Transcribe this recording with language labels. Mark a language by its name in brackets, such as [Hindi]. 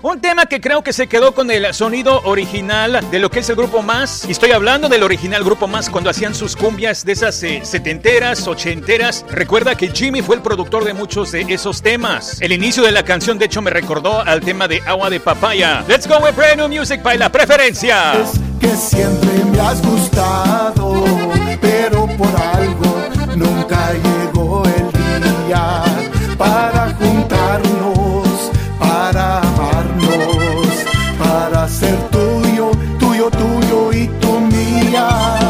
[Spanish] Un tema que creo que se quedó con el sonido original de lo que es el grupo Más. Y estoy hablando del original grupo Más cuando hacían sus cumbias de esas setenteras, ochenteras. Recuerda que Jimmy fue el productor de muchos de esos temas. El inicio de la canción de hecho me recordó al tema de Agua de Papaya. [English] Let's go with brand new music by La Preferencia. [Spanish] Que siempre me has gustado, pero por algo nunca llegó el día para juntarnos, para amarnos, para ser tuyo, tuyo, tuyo y tu mía.